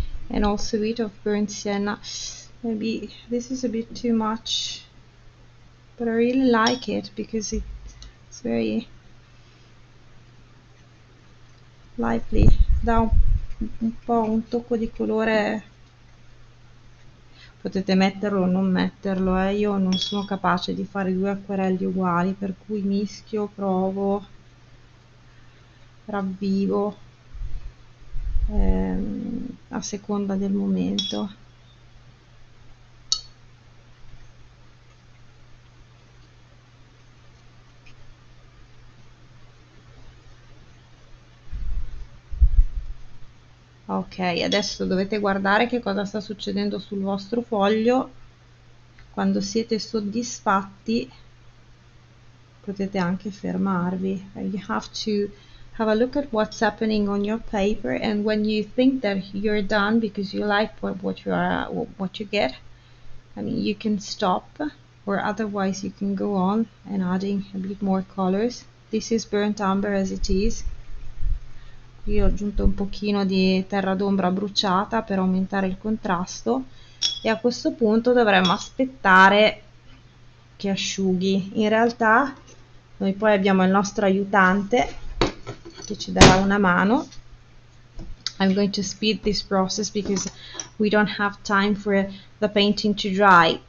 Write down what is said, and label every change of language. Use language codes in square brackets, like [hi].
[en] And also a bit of burnt sienna. Maybe this is a bit too much, but I really like it because it's very lively. [it] Dà un po' un tocco di colore. Potete metterlo o non metterlo, io non sono capace di fare due acquerelli uguali, per cui mischio, provo, ravvivo. A seconda del momento. Ok, adesso dovete guardare che cosa sta succedendo sul vostro foglio. Quando siete soddisfatti, potete anche fermarvi. [en] You have to have a look at what's happening on your paper, and when you think that you're done because you like what you get, I mean, you can stop, or otherwise you can go on and adding a bit more colors. This is burnt umber as it is. [it] Io ho aggiunto un pochino di terra d'ombra bruciata per aumentare il contrasto, e a questo punto dovremmo aspettare che asciughi. In realtà, noi poi abbiamo il nostro aiutante che ci darà una mano. [en] I'm going to speed this process because we don't have time for the painting to dry.